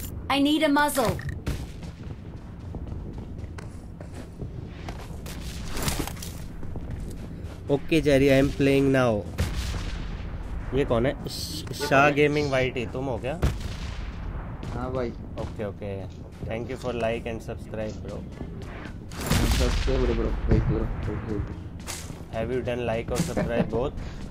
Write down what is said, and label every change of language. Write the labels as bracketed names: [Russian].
[English] I need a muzzle. Okay, Jerry, I'm playing now. [Hindi] ये कौन है? शाह गेमिंग वाइटी तुम हो क्या? हाँ भाई. [English] Okay okay. Thank you for like and subscribe, bro. Subscribe bro, भाई bro. Have you done like or subscribe both?